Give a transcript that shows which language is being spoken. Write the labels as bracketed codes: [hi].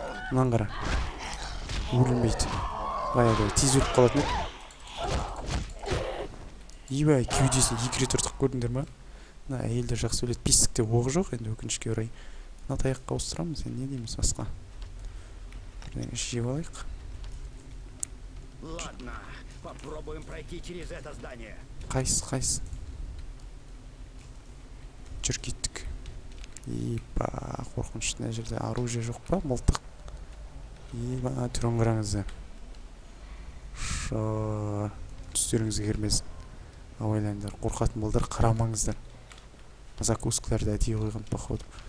[kk] Мынан қара. Өлмейді. Баяғыдай, тез өліп қалатын еді. Ебай, кеудесін екі рет ұрттық, көрдіңдер ма? Мына әйелдер жақсы өледі. Бесікте оғы жоқ енді, өкінішке орай. Мына таяққа ауыстырамыз, не дейміз басқа? Бірдеңе жеп алайық. [ru] Ладно, попробуем пройти через это здание. [kk] Қайсы. Жүр кеттік. Епа, қорқынышты, мына жерде оружие жоқ па? Мылтық. Епа, түрін қараңызды. Түстеріңізге кірмесін. Абайлаңдар, қорқатын болдар, қарамаңыздар. Закускаларды әдейі қойған походу.